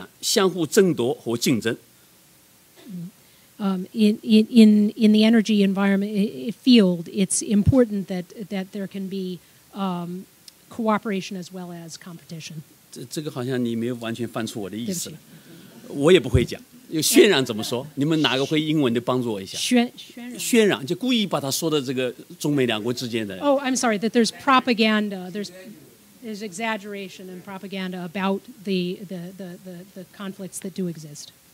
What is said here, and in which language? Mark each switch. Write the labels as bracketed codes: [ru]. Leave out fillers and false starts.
[zh] 在能源领域也渲染相互争夺和竞争。 [en] In the energy environment field, it's important that there can be cooperation as well as competition. [zh] 这个好像你没有完全翻出我的意思，我也不会讲。渲染怎么说？你们哪个会英文的帮助我一下？渲染就故意把它说到这个中美两国之间的。 [en] Oh, I'm sorry. That there's propaganda. There's exaggeration and propaganda about the conflicts that do exist.